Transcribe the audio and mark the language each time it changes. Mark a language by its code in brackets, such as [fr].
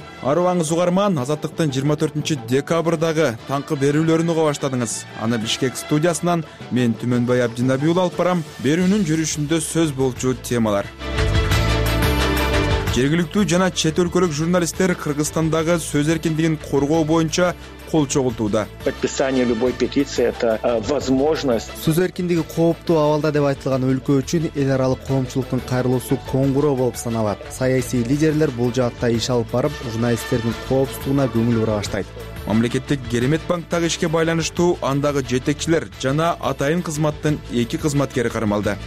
[ky] Арыбаңыз угарман, Азаттыктын 24-декабрдагы таңкы берүүлөрүн уга баштадыңыз. Аны Бишкек студиясынан мен Түмөнбай Абдинабиул алып барам. Берүүнүн жүрүшүндө сөз болчу темалар. Жергиликтүү жана чет өлкөлүк журналисттер Кыргызстандагы сөз эркиндигин коргоо боюнча кол чогултууда. [ru] Подписание любой петиции это возможность. [ky] Сөз эркиндиги кооптуу абалда деп айтылган өлкө үчүн эл аралык коомчулуктун кайрылуусу коңгуроо болуп саналат. Саясий лидерлер бул жаатта иш алып барып, журналисттердин коопсуздугуна көңүл бура баштайт. Мамлекеттик Керемет банктагы ишке байланыштуу андагы жетекчилер жана атайын кызматтын эки кызматкери кармалды.